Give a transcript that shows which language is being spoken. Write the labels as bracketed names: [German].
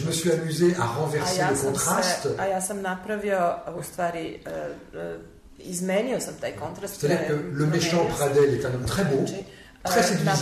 [French] Je me suis amusé à renverser le contraste. [Serbian] A ja sam napravio u stvari izmenio sam taj kontrast. [French] C'est-à-dire le méchant Pradel est un homme très beau, très séduisant.